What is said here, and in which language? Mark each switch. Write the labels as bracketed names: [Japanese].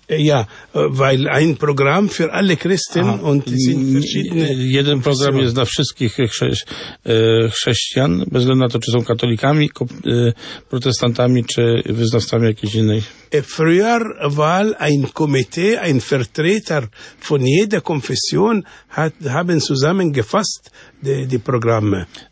[German] Ja, weil ein Programm für alle Christen und sind verschiedene. [Polish] Jeden program jest dla wszystkich chrześcijan, bez względu na to, czy są katolikami, protestantami, czy wyznawcami jakiejś innej. [German] Früher war ein Komitee, ein Vertreter von jeder Konfession, haben zusammengefasst die Programme.